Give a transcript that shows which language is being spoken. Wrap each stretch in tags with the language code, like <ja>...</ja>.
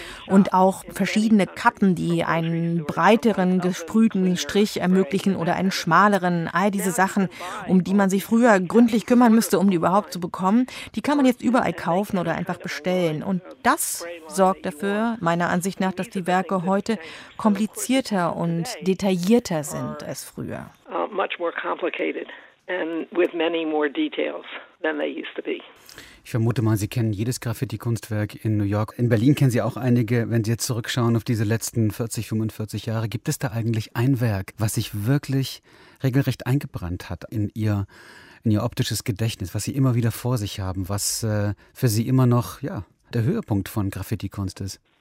<de>Und auch verschiedene Kappen, die einen breiteren gesprühten Strich ermöglichen oder einen schmaleren, all diese Sachen, um die man sich früher gründlich kümmern müsste, um die überhaupt zu bekommen, die kann man jetzt überall kaufen oder einfach bestellen. Und das sorgt dafür, meiner Ansicht nach, dass die Werke heute komplizierter und detaillierter sind als früher.</de> <en>Much more complicated. And with many more details than they used to be.</en> <de>Ich vermute mal, Sie kennen jedes Graffiti-Kunstwerk in New York. In Berlin kennen Sie auch einige. Wenn Sie jetzt zurückschauen auf diese letzten 40, 45 Jahre, gibt es da eigentlich ein Werk, was sich wirklich regelrecht eingebrannt hat in Ihr optisches Gedächtnis, was Sie immer wieder vor sich haben, was für Sie immer noch ja, der Höhepunkt von Graffiti-Kunst ist?</de>